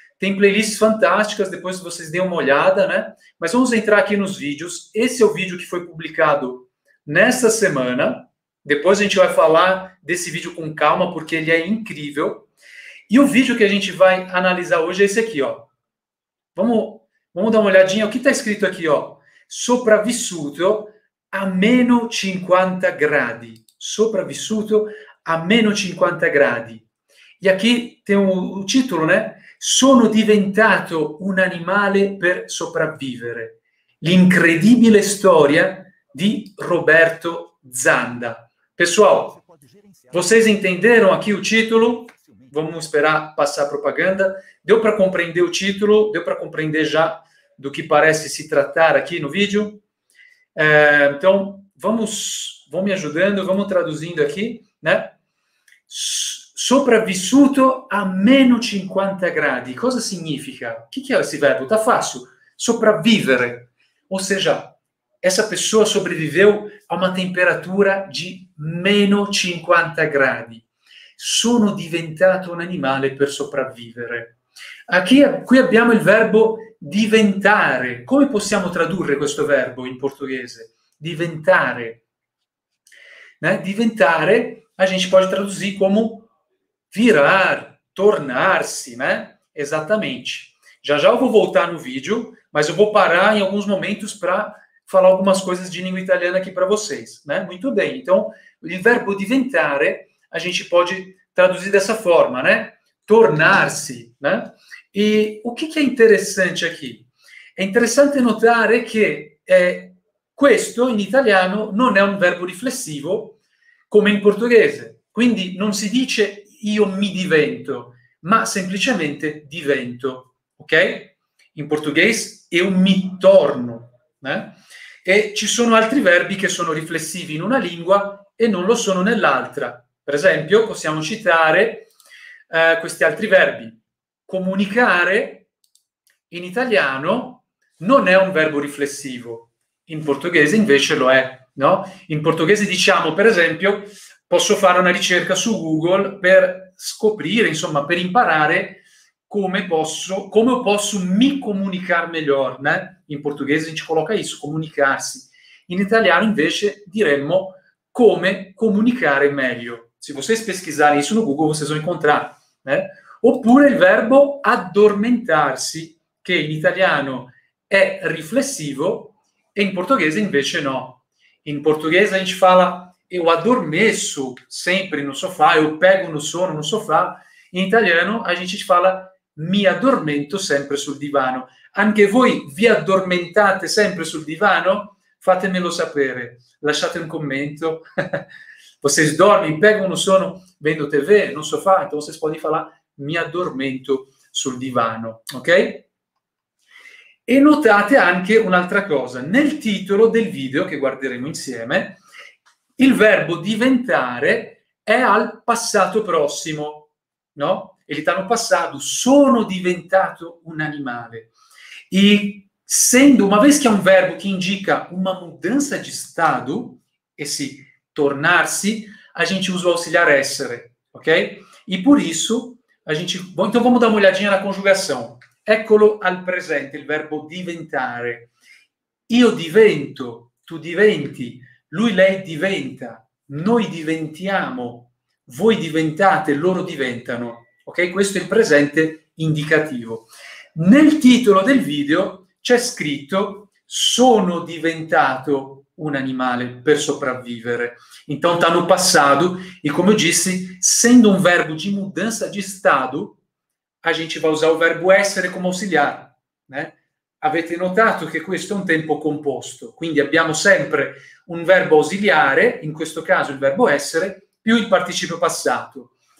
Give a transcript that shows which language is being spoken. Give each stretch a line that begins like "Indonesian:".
Portuguese: Tem playlists fantásticas, depois vocês deem uma olhada, né? Mas vamos entrar aqui nos vídeos. Esse é o vídeo que foi publicado nessa semana. Depois a gente vai falar desse vídeo com calma, porque ele é incrível. E o vídeo que a gente vai analisar hoje é esse aqui, ó. Vamos dar uma olhadinha. O que está escrito aqui, ó?
Italian: Sopravvissuto a meno 50 gradi. Sopravvissuto a meno 50 gradi. E aqui tem o título, né? Sono diventato un animale per sopravvivere. L'incredibile storia di Roberto Zanda.
Portuguese: Pessoal, vocês entenderam aqui o título? Vamos esperar passar a propaganda. Deu para compreender o título? Deu para compreender já do que parece se tratar aqui no vídeo? Então, vão me ajudando, vamos traduzindo aqui, né?
Italian: Sopravvissuto a meno 50 gradi. Cosa significa? Che è questo verbo?
Portuguese: Tá fácil.
Italian: Sopravvivere.
Portuguese: Ou seja, essa pessoa sobreviveu a uma temperatura
Italian: di meno 50 gradi. Sono diventato un animale per sopravvivere. Qui abbiamo il verbo diventare. Come possiamo tradurre questo verbo in portoghese? Diventare. Né?
Portuguese: Diventare a gente pode traduzir como virar, tornar-se, né? Exatamente. Já eu vou voltar no vídeo, mas eu vou parar em alguns momentos para falar algumas coisas de língua italiana aqui para vocês, né? Muito bem. Então, o verbo diventare, a gente pode traduzir dessa forma, né? Tornar-se, né? E o que é interessante aqui?
Italian: É interessante notare che questo, in italiano, non è un verbo riflessivo, come in portoghese. Quindi, non si dice io mi divento, ma semplicemente divento, ok? In portoghese, eu mi torno, né? E ci sono altri verbi che sono riflessivi in una lingua e non lo sono nell'altra. Per esempio, possiamo citare questi altri verbi. Comunicare, in italiano, non è un verbo riflessivo. In portoghese, invece, lo è, no? In portoghese diciamo, per esempio, posso fare una ricerca su Google per scoprire, insomma, per imparare come posso mi comunicare meglio, né? In portoghese
Portuguese: a gente coloca isso,
Italian: comunicarsi. In italiano, invece, diremmo come comunicare meglio.
Portuguese: Se vocês pesquisarem isso no Google, vocês vão encontrar, né?
Italian: Oppure il verbo addormentarsi, che in italiano è riflessivo e in portoghese invece no. In portoghese
Portuguese: a gente fala eu adormeço sempre no sofá, eu pego no sono no sofá.
Italian: In italiano
Portuguese: a gente fala
Italian: mi addormento sempre sul divano. Anche voi vi addormentate sempre sul divano? Fatemelo sapere, lasciate un commento.
Portuguese: Vocês dormem, pegam no sono vendo TV no sofá? Então vocês podem falar
Italian: mi addormento sul divano,
Portuguese: ok?
Italian: E notate anche un'altra cosa. Nel titolo del video che guarderemo insieme, il verbo diventare è al passato prossimo, no?
Portuguese: Ele está no passato,
Italian: sono diventato un animale.
Portuguese: E sendo, uma vez
Italian: che è un verbo che indica una mudanza di stato,
Portuguese: esse tornarsi, a gente usa o auxiliar essere, ok? E por isso, a gente... Bom, então vamos dar uma olhadinha na conjugação.
Italian: Eccolo al presente, il verbo diventare. Io divento, tu diventi. Lui, lei diventa, noi diventiamo, voi diventate, loro diventano. Ok? Questo è il presente indicativo. Nel titolo del video c'è scritto sono diventato un animale per sopravvivere.
Portuguese: Então, tá no passado, e como eu disse, sendo um verbo de mudança de estado, a gente vai usar o verbo essere como auxiliar, né?
Italian: Avete notato che questo è un tempo composto, quindi abbiamo sempre un verbo ausiliare, in questo caso il verbo essere, più il participio passato.